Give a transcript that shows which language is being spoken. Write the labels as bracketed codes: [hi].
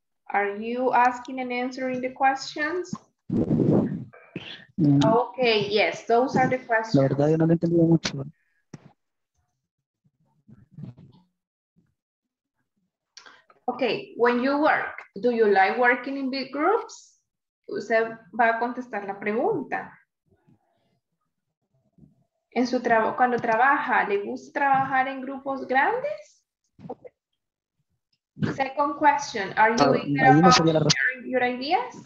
[en] Are you asking and answering the questions? Mm. Okay, yes, those are the questions. [es] La verdad, yo no lo entendí mucho. [en] Okay, when you work, do you like working in big groups? [es] Usted va a contestar la pregunta. En su trabajo, cuando trabaja, ¿le gusta trabajar en grupos grandes? [en] Okay. Second question, are you eager about sharing your ideas?